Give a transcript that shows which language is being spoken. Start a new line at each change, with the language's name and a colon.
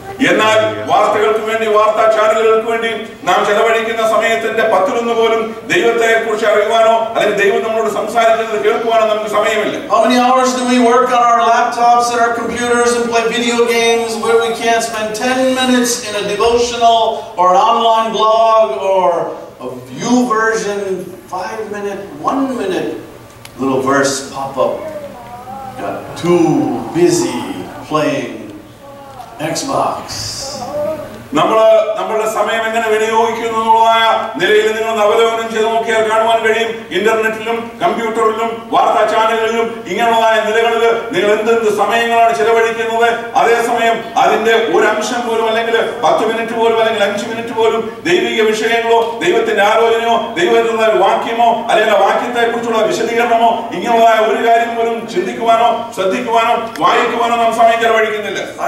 Malayalam: എന്നാൽ വാർത്തകൾക്ക് വേണ്ടി, വാർത്താ ചാനലുകൾക്ക് വേണ്ടി നാം ചെലവഴിക്കുന്ന സമയത്തിന്റെ 1/10 പോലും ദൈവത്തെ കുറിച്ച് അറിയുവാനോ അല്ലെങ്കിൽ ദൈവം നമ്മളോട് സംസാരിക്കുന്നത് കേൾക്കുവാനോ നമുക്ക് സമയമില്ല.
English: How many hours do we work on our laptops and our computers and play video games where we can't spend 10 minutes in a devotional or an online blog or a view version 5 minute 1 minute little verse pop up? Got too busy playing Xbox.
Malayalam: നമ്മള് നമ്മളുടെ സമയം എങ്ങനെ വിനിയോഗിക്കുന്നു എന്നുള്ളതായ നിലയിൽ നിങ്ങൾ അവലോകനം ചെയ്ത് നോക്കിയാൽ കാണുവാൻ കഴിയും. ഇന്റർനെറ്റിലും കമ്പ്യൂട്ടറിലും വാർത്താ ചാനലുകളിലും ഇങ്ങനെയുള്ള നിലകളിൽ നിങ്ങൾ എന്തെന്ത് സമയങ്ങളാണ് ചെലവഴിക്കുന്നത്. അതേസമയം അതിന്റെ ഒരു അംശം പോലും അല്ലെങ്കിൽ 10 മിനിറ്റ് പോലും അല്ലെങ്കിൽ 5 മിനിറ്റ് പോലും ദൈവിക വിഷയങ്ങളോ ദൈവത്തിന്റെ ആലോചനയോ ദൈവത്തിന്റെ വാക്യമോ അല്ലെങ്കിൽ വാക്യത്തെ കുറിച്ചുള്ള വിശദീകരണമോ ഇങ്ങനെയുള്ള ഒരു കാര്യം പോലും ചിന്തിക്കുവാനോ ശ്രദ്ധിക്കുവാനോ വായിക്കുവാനോ നാം സമയം ചെലവഴിക്കുന്നില്ല.